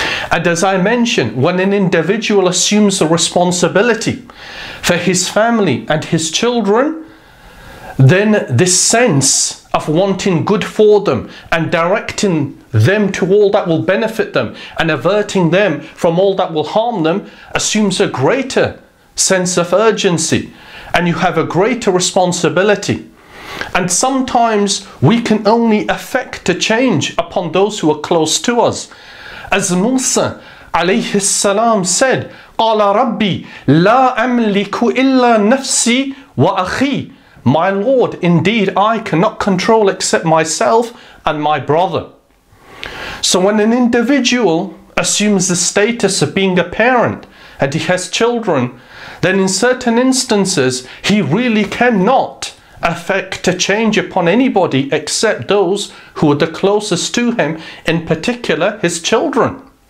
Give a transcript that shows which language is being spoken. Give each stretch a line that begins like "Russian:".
English: And as I mentioned, when an individual assumes the responsibility for his family and his children, then this sense of wanting good for them and directing them to all that will benefit them and averting them from all that will harm them assumes a greater sense of urgency, and you have a greater responsibility. And sometimes we can only affect a change upon those who are close to us. As Musa alayhi salam said,
Arabic: قَالَ رَبِّي لَا أَمْلِكُ إِلَّا نَفْسِي وَأَخِي.
English: My Lord, indeed I cannot control except myself and my brother. So when an individual assumes the status of being a parent and he has children, then in certain instances he really cannot affect a change upon anybody except those who are the closest to him, in particular his children.